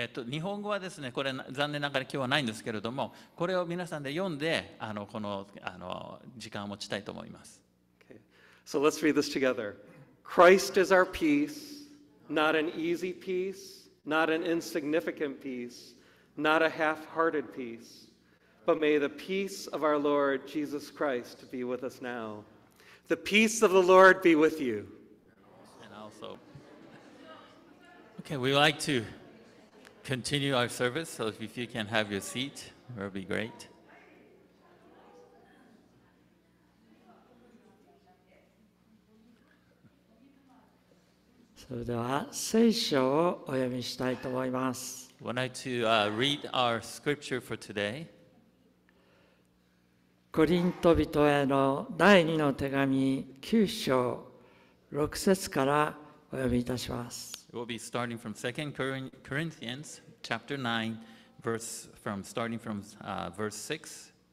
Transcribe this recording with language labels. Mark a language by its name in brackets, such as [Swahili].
[Japanese] 日本語はですね、これ残念ながら今日はないんですけれども、これを皆さんで読んで、この時間を持ちたいと思います。 [English] Okay. So let's read this together. Christ is our peace, not an easy peace, not an insignificant peace, not a half-hearted peace, but may the peace of our Lord Jesus Christ be with us now. The peace of the Lord be with you. And also. Okay, we like to. Continue our service, so if you can have your seat, it would be great. [Japanese] So, では聖書をお読みしたいと思います。 [English] Would like to read our scripture for today. [Japanese] コリント人への第二の手紙九章六節からお読みいたします。 [English] We'll be starting from 2 Corinthians chapter 9, verse 6.